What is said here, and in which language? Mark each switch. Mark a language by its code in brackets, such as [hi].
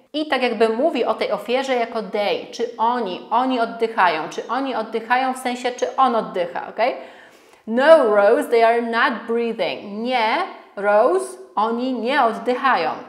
[pl] I tak jakby mówi o tej ofierze jako they, czy oni oddychają, czy oni oddychają w sensie, czy on oddycha, ok? [en] No, Rose, they are not breathing. [pl] Nie, Rose, oni nie oddychają.